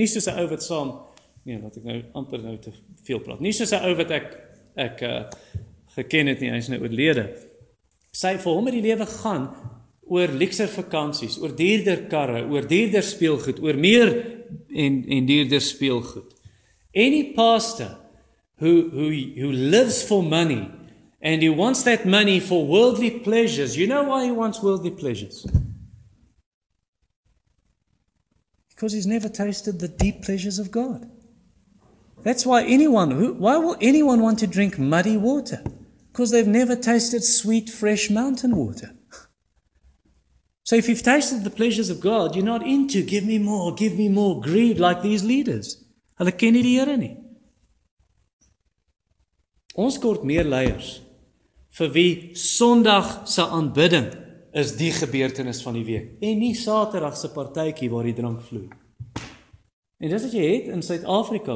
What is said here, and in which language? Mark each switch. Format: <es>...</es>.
<af>Nie soos 'n ou wat saam, nee, wat ek nou amper nou te veel praat. Nie soos 'n ou wat ek geken het nie, hy is nou oorlede. Sy vir hom het die lewe gaan oor luxer vakansies, oor duurder karre, oor duurder speelgoed, oor meer en duurder speelgoed.</af> <en>Any pastor who lives for money and he wants that money for worldly pleasures, you know why he wants worldly pleasures? Because he's never tasted the deep pleasures of God. That's why why will anyone want to drink muddy water? Because they've never tasted sweet, fresh mountain water. So if you've tasted the pleasures of God, you're not into give me more greed like these leaders.</en> <af>Hulle ken nie die Here nie. Ons kort meer leiers vir wie Sondag se aanbidding is die gebeurtenis van die week en nie Saterdag se partytjie waar die drank vloei. En dis wat jy het in Suid-Afrika.</af>